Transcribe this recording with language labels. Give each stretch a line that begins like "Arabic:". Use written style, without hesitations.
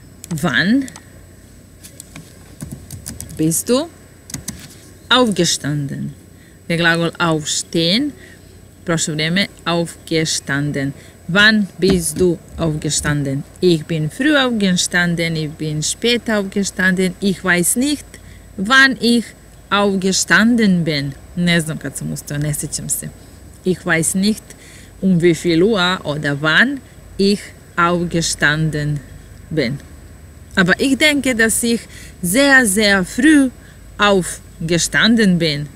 German: Wann bist du aufgestanden?
Croatian: Je glagol aufstehen, prošlo vrijeme, aufgestanden.
German: Wann bist du aufgestanden? Ich bin früh aufgestanden, ich bin spät aufgestanden, ich weiß nicht, wann ich aufgestanden bin.
Croatian: Ne znam kad sam ustao, ne sjećam se.
German: Ich weiß nicht, wie viel Uhr oder wann ich aufgestanden bin. Aber ich denke, dass ich sehr, sehr früh aufgestanden bin.